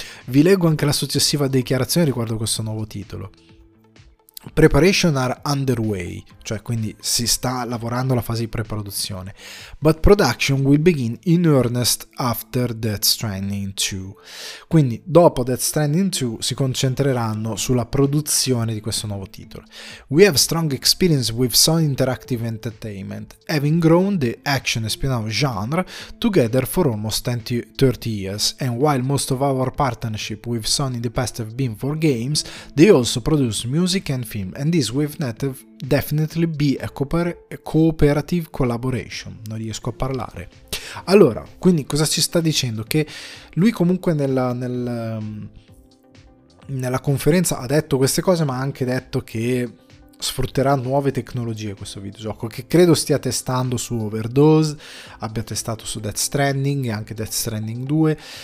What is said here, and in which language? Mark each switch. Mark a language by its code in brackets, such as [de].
[it] Vi leggo anche la successiva dichiarazione riguardo questo nuovo titolo. [en] Preparation are underway, [it] cioè quindi si sta lavorando alla fase di preproduzione. [en] But production will begin in earnest after Death Stranding 2. [it] Quindi dopo Death Stranding 2 si concentreranno sulla produzione di questo nuovo titolo. [en] We have strong experience with Sony Interactive Entertainment, having grown the action espionage genre together for almost 30 years. And while most of our partnership with Sony in the past have been for games, they also produce music and film, and this will definitely be a cooperative collaboration. [it] Non riesco a parlare. Allora, quindi cosa ci sta dicendo? Che lui comunque nella conferenza ha detto queste cose, ma ha anche detto che sfrutterà nuove tecnologie questo videogioco, che credo stia testando su Overdose, abbia testato su Death Stranding e anche Death Stranding 2.